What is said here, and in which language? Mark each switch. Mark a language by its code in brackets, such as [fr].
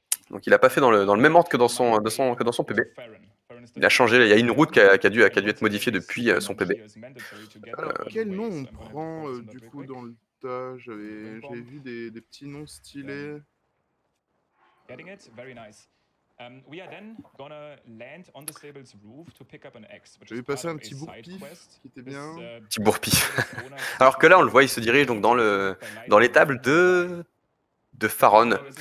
[fr] Donc il a pas fait dans le même ordre que dans son PB. Il a changé, il y a une route qui a dû être modifiée depuis son PB. Quel nom on prend du coup dans le. J'avais vu des petits noms stylés. [en] Getting it, very nice. We are then gonna land on the stable's roof to pick up an axe. [fr] J'avais passé un petit bourpif qui était bien. Petit bourpif. Alors que là, on le voit, il se dirige donc dans l'étable de Farron.